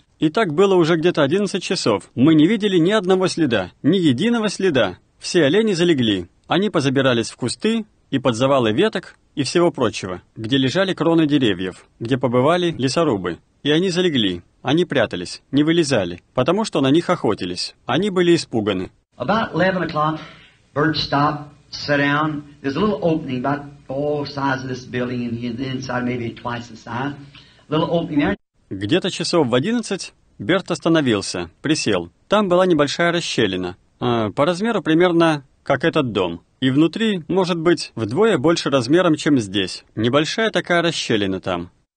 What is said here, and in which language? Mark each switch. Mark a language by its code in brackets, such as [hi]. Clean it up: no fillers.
[ru] И так было уже где-то 11 часов. Мы не видели ни одного следа, ни единого следа. Все олени залегли. Они позабирались в кусты и под завалы веток и всего прочего, где лежали кроны деревьев, где побывали лесорубы. И они залегли. Они прятались, не вылезали, потому что на них охотились. Они были испуганы. [en] About 11 o'clock, Bert stopped, sat down. There's a little opening about the size of this building and the inside maybe twice the size. Little opening there. [ru] Где-то часов в 11 Берт остановился, присел. Там была небольшая расщелина, по размеру примерно как этот дом. И внутри, может быть, вдвое больше размером, чем здесь. Небольшая такая расщелина там.